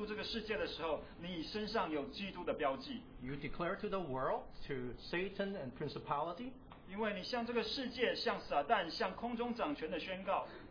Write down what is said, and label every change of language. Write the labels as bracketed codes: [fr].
[zh] 但今天之后，当你在进入这个世界的时候，你身上有基督的标记。 [en] You declare to the world, to Satan and principality. [zh] 因为你向这个世界、向撒旦、向空中掌权的宣告。